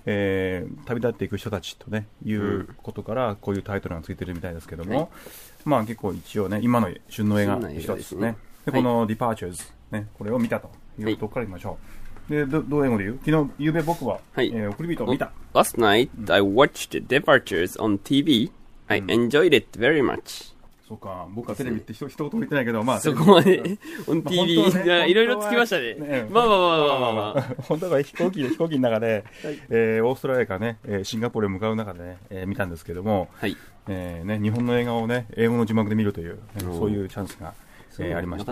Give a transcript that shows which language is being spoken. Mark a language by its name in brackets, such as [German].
[Japanese] 旅立っていく人たちと、ね、いうことからこういうタイトルがついてるみたいですけども、はい、まあ結構一応ね、今の旬の映画の一つですね。でこの Departures、ね、これを見たというとこから行きましょう。はい、で どう英語で言う？昨日、昨夜僕は、はい、送り人を見た。 [English] Last night I watched Departures on TV. I enjoyed it very much. [Japanese] そうか、僕はテレビって一言も言ってないけど、まあ、そこまで、オン TV、いろいろつきましたね。まあ。本当は飛行機の中で、はい、オーストラリアからね、シンガポールへ向かう中でね、見たんですけども、はい、ね、日本の映画をね、英語の字幕で見るという、そういうチャンスが、ありました。